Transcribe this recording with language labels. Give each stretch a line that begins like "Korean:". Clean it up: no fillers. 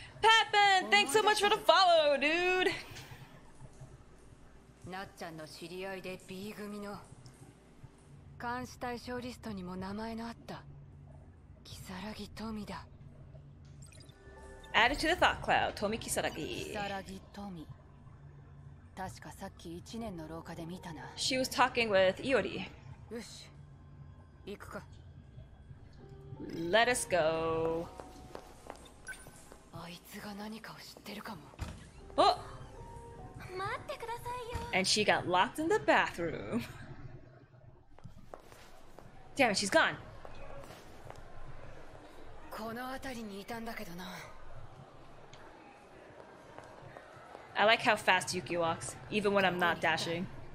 English: Pappen, thanks so much for the follow, dude!
Japanese: なっちゃんの知り合いで B 組の監視対象リストにも名前のあった。キサラギトミだ。
English: Added to the thought cloud, Tomi Kisaragi. Kisaragi Tomi.
Japanese: 確かさっき1年の廊下で見たな。
English: She was talking with Iori.
Japanese: よし、行くか。
English: Let us go.
Japanese: あいつが何かを知ってるかも。 Oh! 待ってくださいよ。
English: And she got locked in the bathroom. Damn it, she's gone.
Japanese: この辺りにいたんだけどな。
English: I like how fast Yuki walks, even when I'm not dashing.